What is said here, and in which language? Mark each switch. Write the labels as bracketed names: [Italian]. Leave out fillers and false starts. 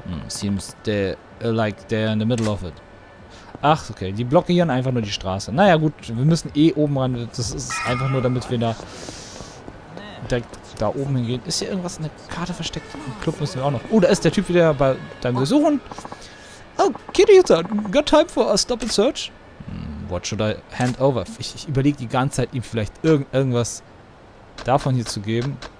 [English] seems like they're in the middle of it. [German] Ach, okay, die blockieren einfach nur die Straße. Naja, gut, wir müssen eh oben ran. Das ist einfach nur, damit wir da direkt da oben hingehen. Ist hier irgendwas in der Karte versteckt? Im Club müssen wir auch noch. Oh, da ist der Typ wieder bei deinem Besuchen. [English] Oh, Kitty, you got time for a stop and search? What should I hand over? [German] Ich überlege die ganze Zeit, ihm vielleicht irgendwas davon hier zu geben.